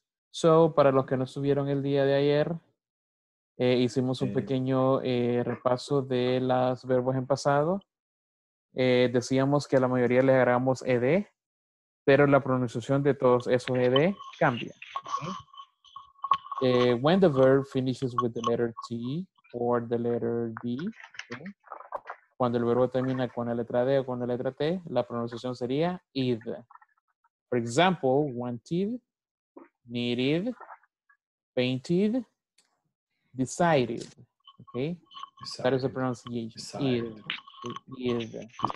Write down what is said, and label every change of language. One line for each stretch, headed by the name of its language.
Spanish: So, para los que no estuvieron el día de ayer, hicimos un pequeño repaso de los verbos en pasado. Decíamos que a la mayoría le agregamos ed, pero la pronunciación de todos esos ed cambia.
English: Okay? When the verb finishes with the letter T or the letter D, okay?
Spanish: Cuando el verbo termina con la letra D o con la letra T, la pronunciación sería id.
English: For example, wanted, needed, painted, decided. Okay? Decided. That is the pronunciation. Decided.